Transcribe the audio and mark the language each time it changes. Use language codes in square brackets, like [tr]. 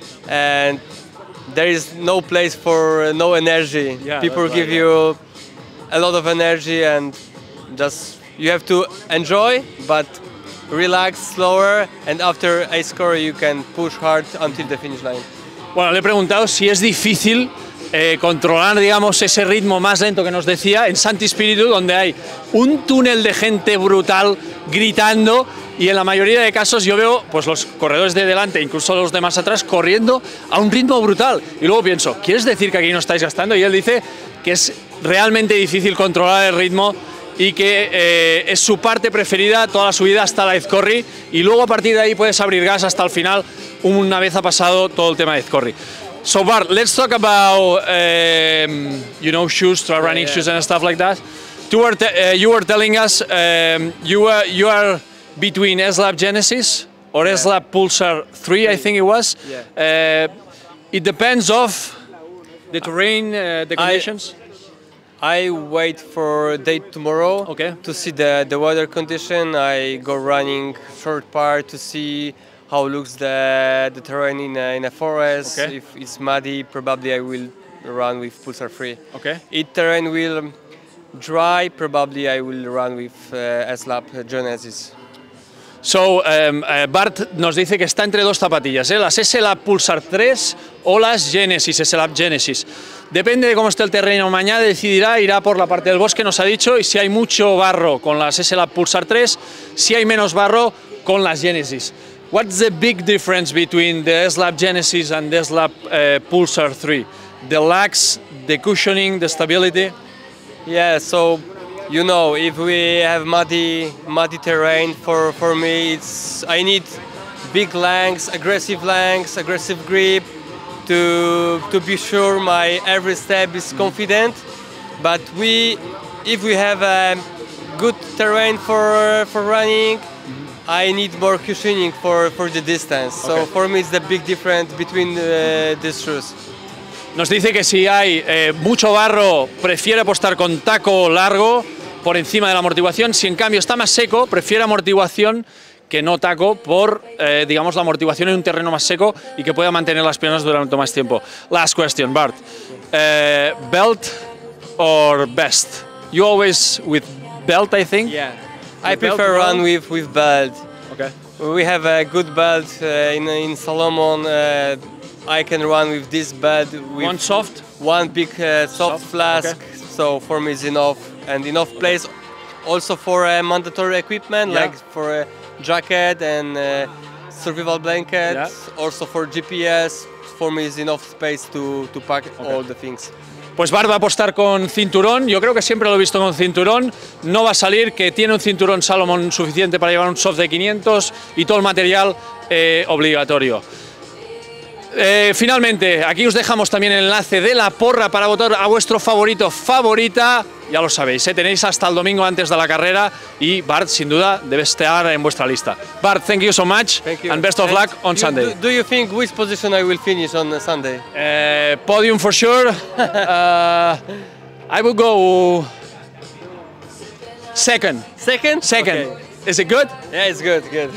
[en] And there is no place for no energy. Yeah, people give you a lot of energy, and just you have to enjoy, but relax slower, and after a score you can push hard until the finish line. [es] Bueno, le he preguntado si es difícil controlar, digamos, ese ritmo más lento que nos decía en Santo Espíritu, donde hay un túnel de gente brutal gritando. Y en la mayoría de casos yo veo, pues, los corredores de delante, incluso los de más atrás, corriendo a un ritmo brutal. Y luego pienso, ¿quieres decir que aquí no estáis gastando? Y él dice que es realmente difícil controlar el ritmo y que es su parte preferida toda la subida hasta la Aizkorri. Y luego a partir de ahí puedes abrir gas hasta el final una vez ha pasado todo el tema de Aizkorri. [en] So Bart, let's talk about, you know, shoes, trail running shoes and stuff like that. You were telling us you are between SLAB Genesis or SLAB Pulsar 3, I think it was. Yeah. It depends of the terrain, the conditions. I, I wait for date tomorrow to see the weather condition. I go running short part to see how looks the terrain in a forest. Okay. If it's muddy, probably I will run with Pulsar 3. Okay. If terrain will dry, probably I will run with SLAP Genesis. [es] So, Bart nos dice que está entre dos zapatillas, las SLAP Pulsar 3 o las Genesis, SLAP Genesis. Depende de cómo esté el terreno mañana, decidirá, irá por la parte del bosque, nos ha dicho, y si hay mucho barro con las SLAP Pulsar 3, si hay menos barro con las Genesis. [en] What's the big difference between the SLAP Genesis and the SLAP Pulsar 3? The lugs, the cushioning, the stability? Yeah, so, you know, if we have muddy terrain, for me, I need big lengths, aggressive grip, to be sure my every step is confident. But if we have a good terrain for running, I need more cushioning for the distance. Okay. So for me, it's the big difference between these shoes. [es] Nos dice que si hay mucho barro, prefiere apostar con taco largo por encima de la amortiguación. Si en cambio está más seco, prefiere amortiguación que no taco por, digamos, la amortiguación en un terreno más seco y que pueda mantener las piernas durante más tiempo. [en] Last question, Bart. Belt or vest? You always with belt, I think? Yeah. I prefer run with belt. Okay. We have a good belt in Salomon. I can run with this bed with one soft, one big soft flask. Okay. So for me, it's enough and enough place. Also for mandatory equipment, like for a jacket and survival blanket. Yeah. Also for GPS, for me, it's enough space to pack all the things. [es] Pues Bart va a apostar con cinturón. Yo creo que siempre lo he visto con cinturón. No va a salir que tiene un cinturón Salomon suficiente para llevar un soft de 500 y todo el material obligatorio. Finalmente, aquí os dejamos también el enlace de la porra para votar a vuestro favorito, favorita. Ya lo sabéis, tenéis hasta el domingo antes de la carrera y Bart, sin duda, debe estar en vuestra lista. [en] Bart, thank you so much and best of luck on Sunday. Do you think which position I will finish on Sunday? Podium for sure. I will go second. Second? Second. Okay. Is it good? Yeah, it's good, good.